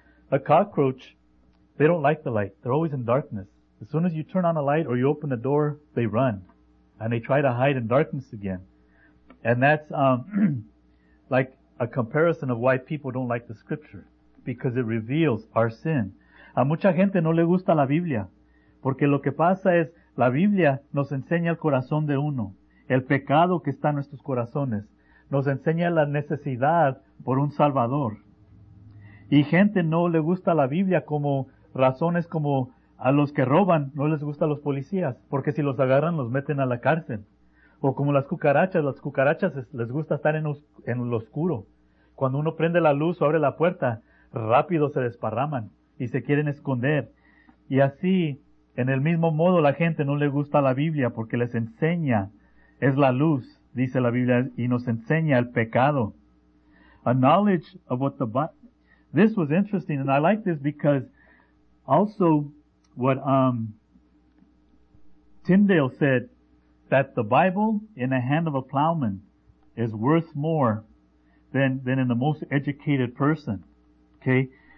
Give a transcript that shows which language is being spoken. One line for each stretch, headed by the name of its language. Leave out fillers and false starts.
English: A cockroach, they don't like the light. They're always in darkness. As soon as you turn on a light or you open the door, they run. And they try to hide in darkness again. And that's like a comparison of why people don't like the scripture. Because it reveals our sin.
Spanish: A mucha gente no le gusta la Biblia. Porque lo que pasa es, la Biblia nos enseña el corazón de uno. El pecado que está en nuestros corazones. Nos enseña la necesidad por un Salvador. Y gente no le gusta la Biblia como razones como a los que roban, no les gusta a los policías, porque si los agarran, los meten a la cárcel. O como las cucarachas les gusta estar en lo oscuro. Cuando uno prende la luz o abre la puerta, rápido se desparraman y se quieren esconder. Y así, en el mismo modo, la gente no le gusta la Biblia porque les enseña, es la luz, dice la Biblia, y nos enseña el pecado.
English: A knowledge of what the Bible... This was interesting, and I like this because also... What Tyndale said, that the Bible in the hand of a plowman is worth more than in the most educated person. Okay?